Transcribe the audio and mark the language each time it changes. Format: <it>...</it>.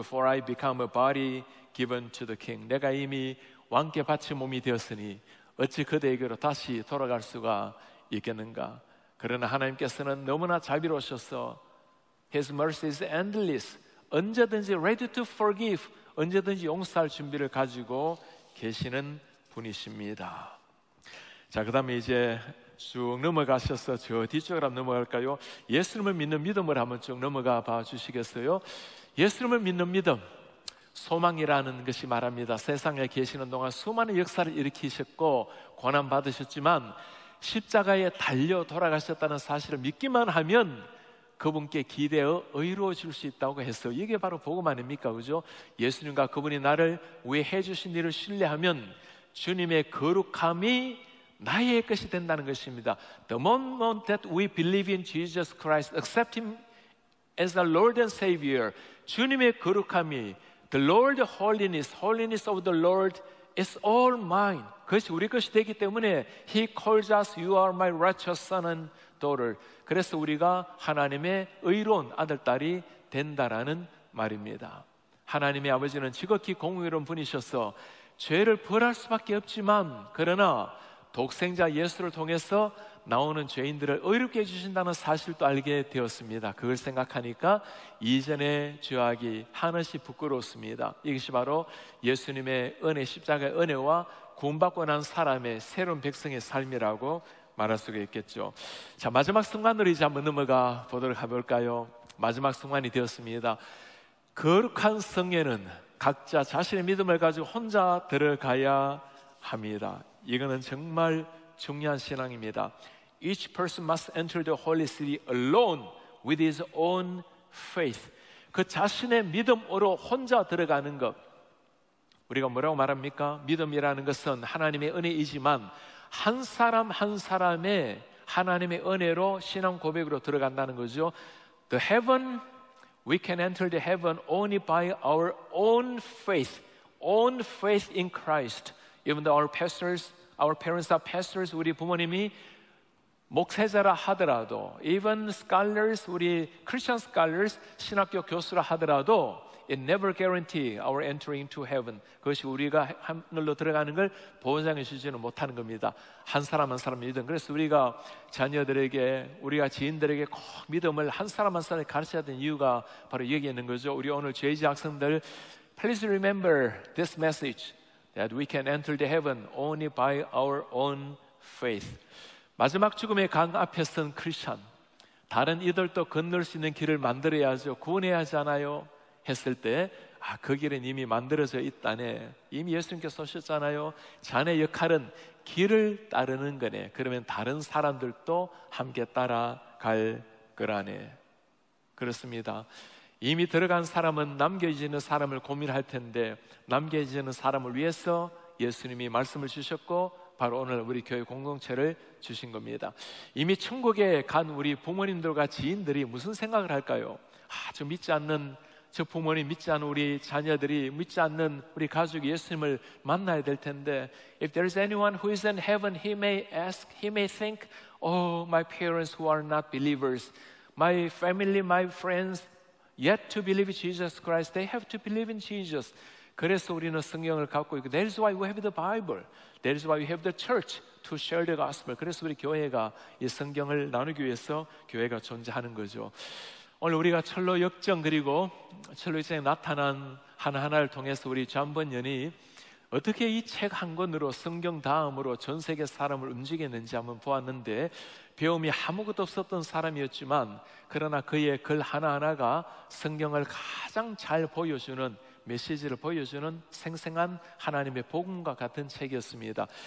<en>For I become a body given to the king.</en> <ko>내가 이미 왕께 바친 몸이 되었으니 어찌 그대에게로 다시 돌아갈 수가 있겠는가? 그러나 하나님께서는 너무나 자비로우셔서</ko> <en>His mercy is endless.</en> <ko>언제든지</ko> <en>ready to forgive.</en> <ko>언제든지 용서할 준비를 가지고 계시는 분이십니다. 자, 그 다음에 이제 쭉 넘어가셔서 저 뒤쪽으로 한번 넘어갈까요? 예수님을 믿는 믿음을 한번 쭉 넘어가 봐 주시겠어요? 예수님을 믿는 믿음, 소망이라는 것이 말합니다. 세상에 계시는 동안 수많은 역사를 일으키셨고 고난받으셨지만 십자가에 달려 돌아가셨다는 사실을 믿기만 하면 그분께 기대어 의로워질 수 있다고 했어요. 이게 바로 복음 아닙니까? 그죠? 예수님과 그분이 나를 위해 해주신 일을 신뢰하면 주님의 거룩함이 나의 것이 된다는 것입니다.</ko> <en>The moment that we believe in Jesus Christ, accept Him as the Lord and Savior,</en> <ko>주님의 거룩함이</ko> <en>The Lord holiness, holiness of the Lord is all mine.</en> <ko>그것이 우리 것이 되기 때문에</ko> <en>He calls us, you are my righteous son and daughter.</en> <ko>그래서 우리가 하나님의 의로운 아들, 딸이 된다라는 말입니다. 하나님의 아버지는 지극히 공의로운 분이셔서 죄를 벌할 수밖에 없지만 그러나 독생자 예수를 통해서 나오는 죄인들을 의롭게 해주신다는 사실도 알게 되었습니다. 그걸 생각하니까 이전의 죄악이 한없이 부끄러웠습니다. 이것이 바로 예수님의 은혜, 십자가의 은혜와 구원받고 난 사람의 새로운 백성의 삶이라고 말할 수가 있겠죠. 자, 마지막 순간으로 이제 한번 넘어가 보도록 해볼까요? 마지막 순간이 되었습니다. 거룩한 성에는 각자 자신의 믿음을 가지고 혼자 들어가야 합니다. 이거는 정말 중요한 신앙입니다.</ko> <en>Each person must enter the holy city alone with his own faith.</en> <ko>그 자신의 믿음으로 혼자 들어가는 것. 우리가 뭐라고 말합니까? 믿음이라는 것은 하나님의 은혜이지만 한 사람 한 사람의 하나님의 은혜로 신앙 고백으로 들어간다는 거죠.</ko> <en>The heaven, we can enter the heaven only by our own faith in Christ. Even though our parents are pastors,</en> <ko>우리 부모님이 목회자라 하더라도,</ko> <en>even scholars, 우리 Christian scholars,</en> <ko>신학교 교수라 하더라도,</ko> <en>it never guarantee our entering to heaven.</en> <ko>그것이 우리가 하늘로 들어가는 걸 보장해 주지는 못하는 겁니다. 한 사람 한 사람 믿음. 그래서 우리가 자녀들에게, 우리가 지인들에게 꼭 믿음을 한 사람 한 사람에 가르쳐야 되는 이유가 바로 여기 있는 거죠. 우리 오늘 JG 학생들,</ko> <en>please remember this message. That we can enter the heaven only by our own faith.</en> <ko>마지막 죽음의 강 앞에 선 크리스천, 다른 이들도 건널 수 있는 길을 만들어야죠. 구원해야지 않아요? 했을 때, 아, 그 길은 이미 만들어져 있다네. 이미 예수님께서 오셨잖아요. 자네 역할은 길을 따르는 거네. 그러면 다른 사람들도 함께 따라갈 거라네. 그렇습니다. 이미 들어간 사람은 남겨지는 사람을 고민할 텐데 남겨지는 사람을 위해서 예수님이 말씀을 주셨고 바로 오늘 우리 교회 공동체를 주신 겁니다. 이미 천국에 간 우리 부모님들과 지인들이 무슨 생각을 할까요? 아, 저 믿지 않는 저 부모님, 믿지 않는 우리 자녀들이, 믿지 않는 우리 가족이 예수님을 만나야 될 텐데</ko> <en>If there is anyone who is in heaven, he may ask, he may think Oh, my parents who are not believers, my family, my friends Yet to believe Jesus Christ, they have to believe in Jesus.</en> <ko>그래서 우리는 성경을 갖고 있고,</ko> <en>That is why we have the Bible. That is why we have the church to share the gospel.</en> <ko>그래서 우리 교회가 이 성경을 나누기 위해서 교회가 존재하는 거죠. 오늘 우리가 철로 역정 그리고 철로 역정에 나타난 하나하나를 통해서 우리 전번연이 어떻게 이 책 한 권으로 성경 다음으로 전 세계 사람을 움직였는지 한번 보았는데 배움이 아무것도 없었던 사람이었지만 그러나 그의 글 하나하나가 성경을 가장 잘 보여주는 메시지를 보여주는 생생한 하나님의 복음과 같은 책이었습니다.</ko>